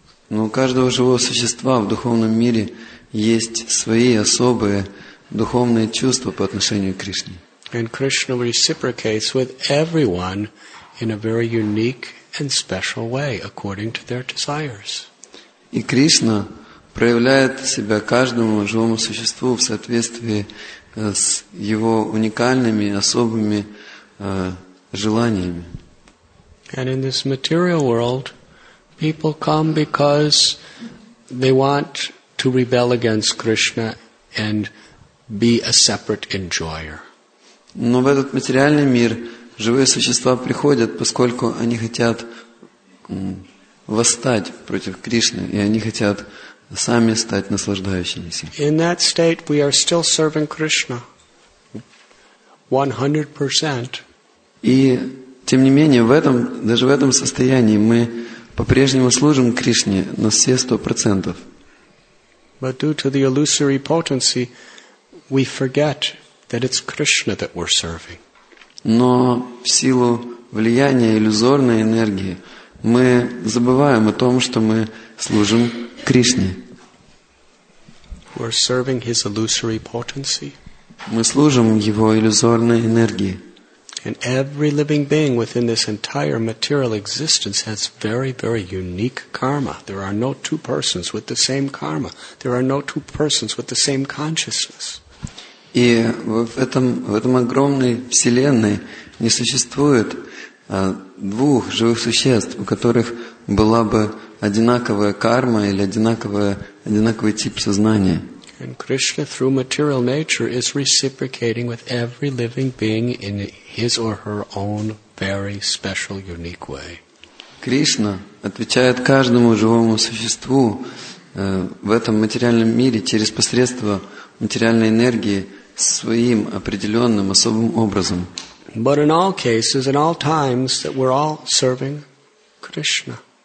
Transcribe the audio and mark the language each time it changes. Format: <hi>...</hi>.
<ru>Но у каждого живого существа в духовном мире есть свои особые духовные чувства по отношению к Кришне.</ru> <en>And Krishna reciprocates with everyone in a very unique and special way, according to their desires.</en> <ru>И Кришна проявляет себя каждому живому существу в соответствии с его уникальными, особыми желаниями.</ru> <en>And in this material world, people come because they want to rebel against Krishna and be a separate enjoyer.</en> <ru>Но в этот материальный мир живые существа приходят, поскольку они хотят восстать против Кришны, и они хотят сами стать наслаждающимися.</ru> <en>In that state we are still serving Krishna 100%.</en> <ru>И тем не менее, даже в этом состоянии мы по-прежнему служим Кришне на все 100%.</ru> <en>But due to the illusory potency, we forget that it's Krishna that we're serving.</en> <ru>Но в силу влияния иллюзорной энергии мы забываем о том, что мы служим Кришне.</ru> <en>We're serving his illusory potency.</en> <ru>Мы служим его иллюзорной энергии.</ru> <en>And every living being within this entire material existence has very, very unique karma. There are no two persons with the same karma. There are no two persons with the same consciousness.</en> <ru>И в этом огромной вселенной не существует двух живых существ, у которых была бы одинаковая карма или одинаковый тип сознания.</ru> <en>And Krishna through material nature is reciprocating with every living being in his or her own very special unique way.</en> <ru>Кришна отвечает каждому живому существу в этом материальном мире через посредство материальной энергии своим определенным особым образом.</ru> <en>But in all cases, in all times, that we're all serving Krishna.</en>